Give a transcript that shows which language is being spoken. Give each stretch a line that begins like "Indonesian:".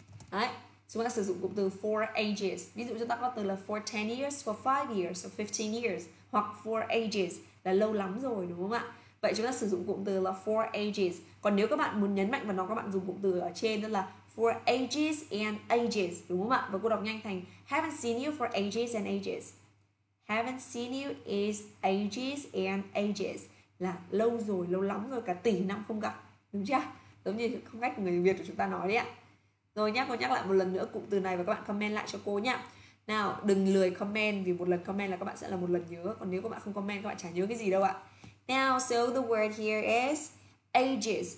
Vietnamese: Đấy. Chúng ta sử dụng cụm từ for ages. Ví dụ chúng ta có từ là
English: for 10 years, for 5 years, for 15 years.
Vietnamese: Hoặc for ages là lâu lắm rồi đúng không ạ? Vậy chúng ta sử dụng cụm từ là for ages. Còn nếu các bạn muốn nhấn mạnh vào nó, các bạn dùng cụm từ ở trên đó là
English: for ages and ages
Vietnamese: đúng không ạ? Và cô đọc nhanh thành
English: haven't seen you for ages and ages. Haven't seen you is ages and ages.
Vietnamese: là lâu rồi, lâu lắm rồi, cả tỷ năm không gặp, đúng chưa? Giống như phong cách của người Việt của chúng ta nói đấy ạ. Rồi nhá, cô nhắc lại một lần nữa cụm từ này và các bạn comment lại cho cô nhá. Nào, đừng lười comment, vì một lần comment là các bạn sẽ là một lần nhớ. Còn nếu các bạn không comment, các bạn chả nhớ cái gì đâu ạ.
English: Now, so the word here is ages.